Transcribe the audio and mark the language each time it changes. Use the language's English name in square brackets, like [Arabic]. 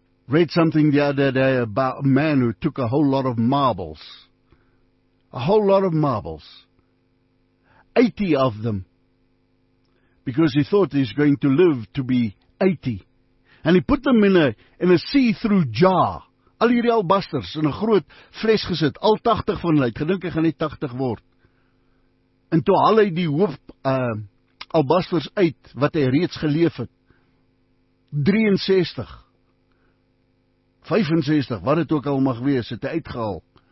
[English] read something the other day about a man who took a whole lot of marbles. A whole lot of marbles. 80 of them. Because he thought he's going to live to be 80. And he put them in a see-through jar. [Afrikaans] Al hierdie albasters in 'n groot fles gesit. Al 80 van hulle. Het gedink hy gaan net 80 word. En toe haal hy die hoof albasters uit wat hy reeds geleef het. 63. 65, wat het ook al mag wees, het hy uitgehaal.